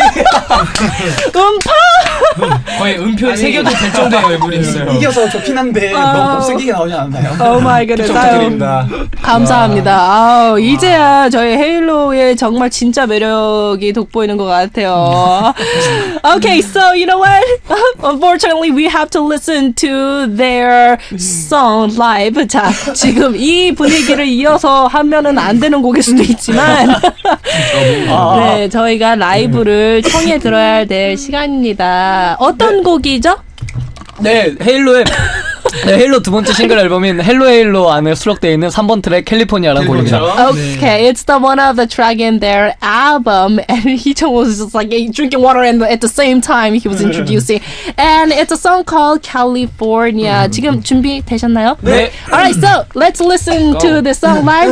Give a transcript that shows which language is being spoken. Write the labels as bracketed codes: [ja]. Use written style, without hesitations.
[ko] 음파. 거의 음표 새겨도 될 정도의 얼굴이 있어요. 이겨서 좋긴 한데 너무 쓰기가 나오지 않나요? 오 마이 갓. 축하드립니다. 감사합니다. 아우 이제야 저희 헤일로의 정말 진짜 매력이 돋보이는 것 같아요. [en] Okay, so you know what? Unfortunately, we have to listen to their song live. [ko] 자, 지금 이 분위기를 이어서 하면은 안 되는 곡일 수도 있지만 네, 저희가 라이브를 청해 들어야 될 시간입니다. 어떤 네. 곡이죠? 네, 헤일로의 네, 헤일로 두 번째 싱글 앨범인 헬로 헤일로 안에 수록되어 있는 3번 트랙 캘리포니아라는 곡입니다. Okay, 네. [en] It's the one of the track in their album. And he was just like drinking water and at the same time he was introducing. And it's a song called California. [ko] 지금 준비되셨나요? 네. [en] Alright, so let's listen to the song live.